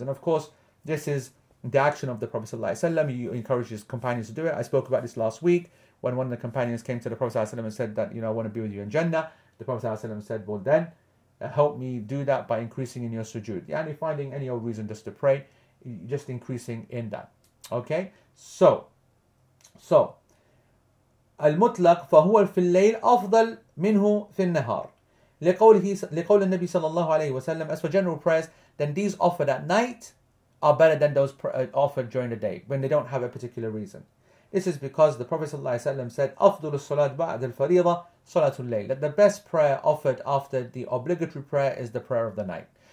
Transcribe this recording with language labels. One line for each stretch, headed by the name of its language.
English: And of course, this is the action of the Prophet ﷺ. He encouraged his companions to do it. I spoke about this last week when one of the companions came to the Prophet ﷺ and said that, you know, I want to be with you in Jannah. The Prophet ﷺ said, well then, help me do that by increasing in your sujood. Yeah, and if finding any old reason just to pray, just increasing in that. Okay, so
Arabic: المطلق فهو في الليل أفضل منه في النهار لقول النبي صلى الله عليه وسلم.
English: As for general prayers, then these offered at night are better than those offered during the day when they don't have a particular reason. This is because the Prophet صلى الله عليه وسلم said
Arabic: أفضل الصلاة بعد الفريضة صلاة الليل,
English: that the best prayer offered after the obligatory prayer is the prayer of the night.